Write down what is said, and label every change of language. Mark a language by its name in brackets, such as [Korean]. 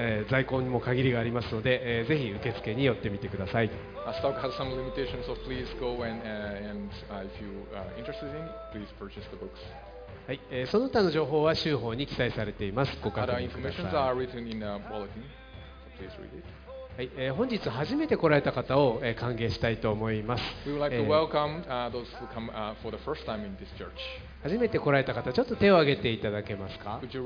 [Japanese] 在庫にも限りがありますので、ぜひ受付に寄ってみてください。 [English] Stock has some limitations, so please go and if you are interested in, please purchase the books. [Japanese] はい、その他の情報は週報に記載されています。ご確認ください。 [English] Other information are written in a bulletin, so please read it. [Japanese] はい、本日初めて来られた方を歓迎したいと思います。 [English] We would like to welcome those who come for the first time in this church. [Japanese] 初めて来られた方、ちょっと手を挙げていただけますか。